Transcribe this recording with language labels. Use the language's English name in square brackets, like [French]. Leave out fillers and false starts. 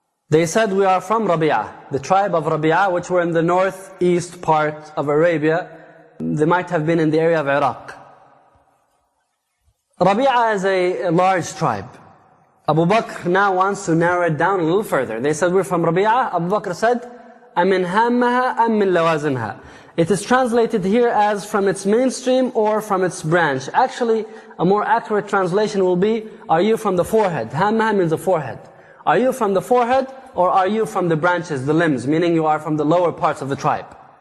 [English] They said, we are from Rabi'ah, the tribe of Rabi'ah, which were in the northeast part of Arabia. They might have been in the area of Iraq. Rabi'ah is a large tribe. Abu Bakr now wants to narrow it down a little further. They said, we're from Rabi'ah. Abu Bakr said, [Arabic] أَمِنْ هَامَّهَا أَمْ مِنْ لَوَازِمْهَا. [English] It is translated here as from its mainstream or from its branch. Actually, a more accurate translation will be, are you from the forehead? هَامَّهَا means the forehead. Are you from the forehead or are you from the branches, the limbs, meaning you are from the lower parts of the tribe?